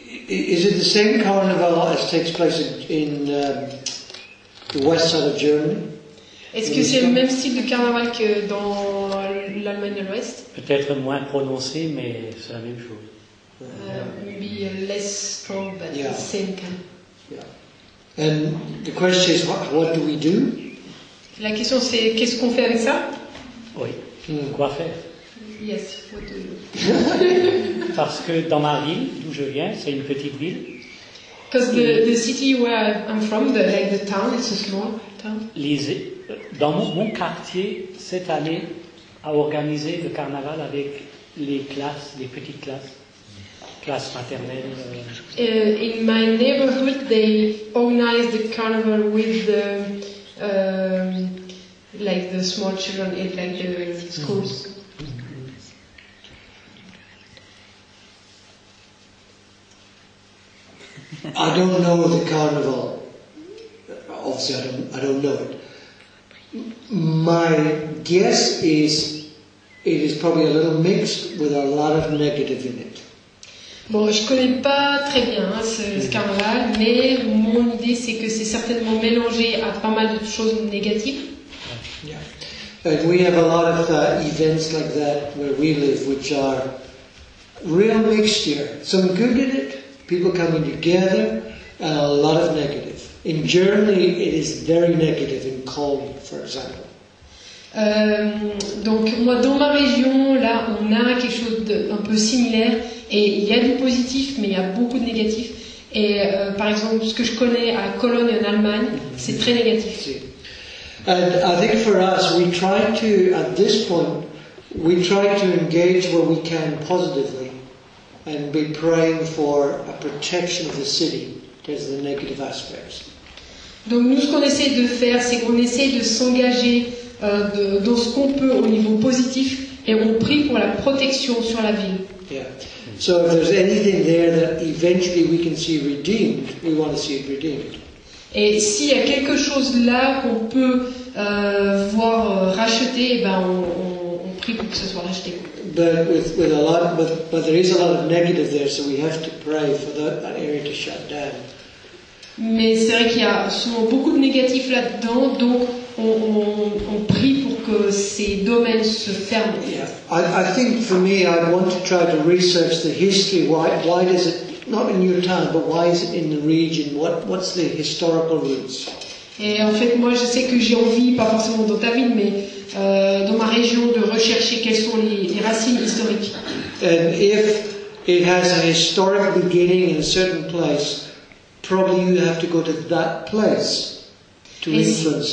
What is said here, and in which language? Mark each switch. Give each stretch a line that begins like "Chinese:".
English: Is it the same carnival as takes place in the west side of Germany?
French: Est-ce que c'est le même style de carnaval que dans l'Allemagne de l'Ouest? Peut-être moins prononcé, mais c'est la même chose.
English: Maybe less strong, but yeah. The same kind. Yeah. And the question is, what do we do?
French: La question c'est, qu'est-ce qu'on fait avec ça? Oui. Mm. Quoi faire?
English: Yes, what do we do?
French: Parce que dans ma ville, d'où je viens, c'est une petite ville.
English: Because the city where I'm from, the town, it's a small town.
French: Dans mon quartier, cette année, a organisé le carnaval avec les classes, les petites classes.
English: In my neighborhood, they organize the carnival with the small children in like the schools. I don't know the carnival. Obviously, I don't know it. My guess is it is probably a little mixed with a lot of negative in it.
French: Bon, je connais pas très bien ce carnaval, mais mon idée c'est que c'est certainement mélangé à pas mal de choses négatives.
English: Yeah. And we have a lot of events like that where we live, which are real mixture. Some good in it, people coming together, and a lot of negative. In Germany, it is very negative in Cologne, for example.
French: Donc moi, dans ma région, là, on a quelque chose d'un peu similaire. Et il y a du positif, mais il y a beaucoup de négatif. Et par exemple, ce que je connais à Cologne en Allemagne, c'est très négatif.
English: And I think for us, we try to, at this point, we try to engage what we can positively and be praying for a protection of the city because of the negative aspects.
French: Donc nous, ce qu'on essaie de faire, c'est qu'on essaie de s'engager dans ce qu'on peut au niveau positif et on prie pour la protection sur la ville.
English: Yeah. So if there's anything there that eventually we can see redeemed, we want to see it redeemed.
French: Et s'il y a quelque chose là qu'on peut voir racheté, ben on prie pour que ce soit racheté.
English: But there is a lot of negative there, so we have to pray for that area to shut down.
French: Mais c'est vrai qu'il y a souvent beaucoup de négatifs là-dedans, donc on prie pour que ces domaines se ferment.
English: Yeah. I think for me, I want to try to research the history. Why does it? Not in your town, but why is it in the region? What's the historical roots?
French: Et en fait, moi, je sais que j'ai envie, pas forcément dans ta ville, mais dans ma région, de rechercher quelles sont les racines historiques.
English: And if it has a historic beginning in a certain place, probably you have to go to that place to influence.